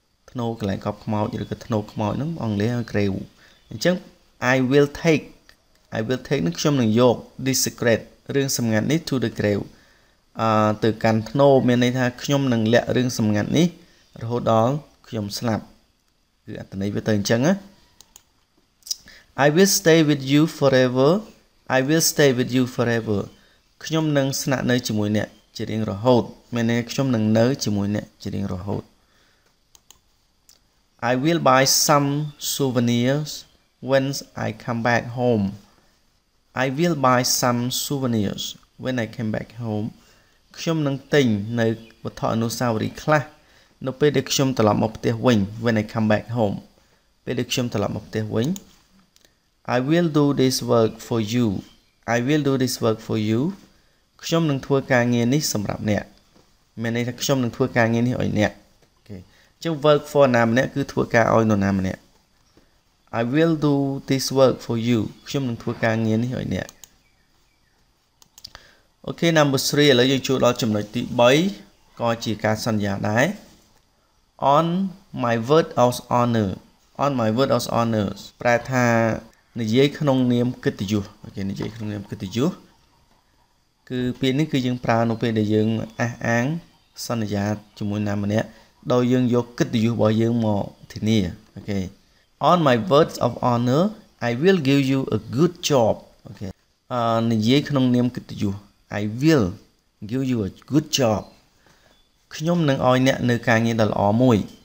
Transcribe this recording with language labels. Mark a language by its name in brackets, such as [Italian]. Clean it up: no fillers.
[Khmer] ធ្នូ កន្លែង កប់ ខ្មោច ឬ ក៏ ធ្នូ ខ្មោច នឹង អង់គ្លេស ហៅ grave អញ្ចឹង I will take នឹង ខ្ញុំ នឹង យក this secret រឿង សម្ងាត់ នេះ to the grave ទៅ កាន់ ធ្នូ មាន ន័យ ថា ខ្ញុំ នឹង លាក់ រឿង សម្ងាត់ នេះ រហូត ដល់ ខ្ញុំ ស្លាប់ គឺ អត្ថន័យ វា ទៅ អញ្ចឹង ណា [English] I will stay with you forever. I will stay with you forever. [Khmer] ខ្ញុំ នឹង ស្នាក់ នៅ ជាមួយ អ្នក ជា រៀង រហូត. មាន ន័យ ខ្ញុំ នឹង នៅ ជាមួយ អ្នក ជា រៀង រហូត. [English] I will buy some souvenirs when I come back home. I will buy some souvenirs when I come back home. [Khmer] ខ្ញុំ នឹង ទិញ នៅ វត្ថុ អនុស្សាវរីយ៍ ខ្លះ នៅ ពេល ដែល ខ្ញុំ ត្រឡប់ មក ផ្ទះ វិញ [English] when I come back home. [Khmer] ពេល ដែល ខ្ញុំ ត្រឡប់ មក ផ្ទះ វិញ [English] I will do this work for you. I will do this work for you. [Khmer] ខ្ញុំ នឹង ធ្វើ ការ ងារ នេះ សម្រាប់ អ្នក. មាន ន័យ ថា ខ្ញុំ នឹង ធ្វើ ការ ងារ នេះ ឲ្យ អ្នក. Okay. អញ្ចឹង work for នរណា ម្នាក់ គឺ ធ្វើ ការ ឲ្យ នរណា ម្នាក់. [English] I will do this work for you. [Khmer] ខ្ញុំ នឹង ធ្វើ ការ ងារ នេះ ឲ្យ អ្នក. [English] Okay, number 3. [Khmer] ឥឡូវ យើង ចូល ដល់ ចំណុច ទី 3 ក៏ ជា ការ សន្យា ដែរ. [English] On my word of honor. On my word of honor. [Khmer] ប្រែ ថា និយាយ ក្នុង នាម កិត្តិយស okay និយាយ ក្នុង នាម កិត្តិយស គឺ ពាក្យ នេះ គឺ យើង ប្រើ នៅ ពេល ដែល យើង អះអាង សន្យា ជាមួយ នរណា ម្នាក់ ដោយ យើង យក កិត្តិយស របស់ យើង មក ធានា okay [English] on my words of honor I will give you a good job [Khmer] okay និយាយ ក្នុង នាម កិត្តិយស [English] I will give you a good job [Khmer] ខ្ញុំ នឹង ឲ្យ អ្នក នៅ ការ ងារ ដ៏ ល្អ មួយ